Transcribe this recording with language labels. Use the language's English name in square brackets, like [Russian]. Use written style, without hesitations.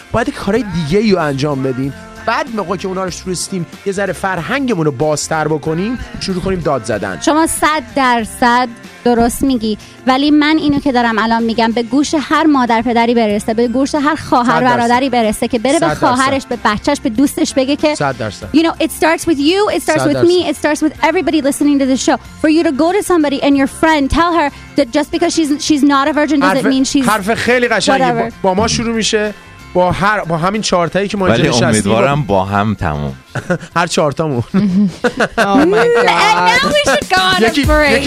[Persian] باید کارهای دیگه ای رو انجام بدیم، بعد موقع که اونا رو شروستیم یه ذره فرهنگمون رو بازتر بکنیم شروع کنیم داد زدن. شما 100% درست میگی، ولی من اینو که دارم الان میگم به گوش هر مادر پدری برسه، به گوش هر خواهر برادری برسه، که بره به خواهرش، به بچهش، به دوستش بگه که 100% [English] You know it starts with you, it starts with me, it starts with everybody listening to the show. For you to go to somebody and your friend, tell her that just because she's not a virgin doesn't mean she's [Persian] حرف خیلی قشنگی با ما شروع میشه با هر با همین چهارتایی که ما اینجا نشستیم. ولی امیدوارم با هم تموم هر چهارتامون. [English] Oh my god. And now we should go on a break.